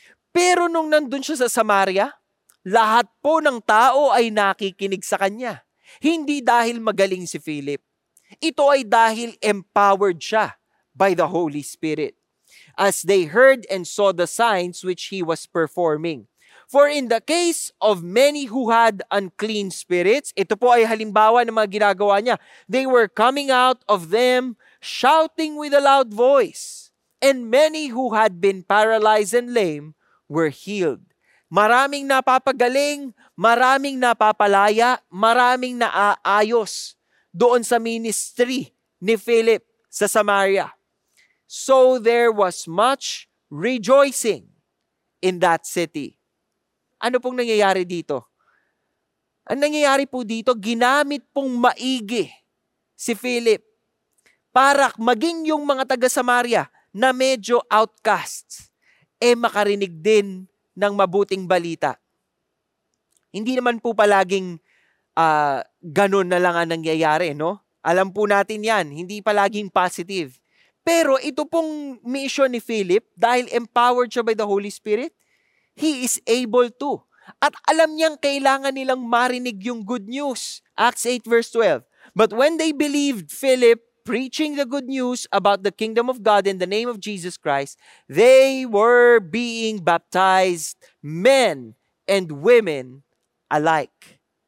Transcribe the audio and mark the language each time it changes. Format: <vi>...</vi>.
<tl>Pero nung nandun siya sa Samaria, lahat po ng tao ay nakikinig sa kanya. Hindi dahil magaling si Philip. Ito ay dahil</tl> <en>empowered siya by the Holy Spirit. As they heard and saw the signs which he was performing. For in the case of many who had unclean spirits,</en> <tl>ito po ay halimbawa ng mga ginagawa niya.</tl> <en>They were coming out of them, shouting with a loud voice. And many who had been paralyzed and lame were healed.</en> <tl>Maraming napapagaling, maraming napapalaya, maraming naaayos doon sa ministry ni Philip sa Samaria.</tl> <en>So there was much rejoicing in that city.</en> <tl>Ano pong nangyayari dito? Ang nangyayari po dito, ginamit pong maigi si Philip para maging yung mga taga-Samaria na medyo outcasts, makarinig din ng mabuting balita. Hindi naman po palaging ganun na lang ang nangyayari, no? Alam po natin yan, hindi palaging positive. Pero ito pong mission ni Philip, dahil empowered siya by the Holy Spirit,</tl> <en>he is able to.</en> <tl>At alam niyang kailangan nilang marinig yung good news.</tl> <en>Acts 8 verse 12. But when they believed Philip preaching the good news about the kingdom of God in the name of Jesus Christ, they were being baptized, men and women alike.</en>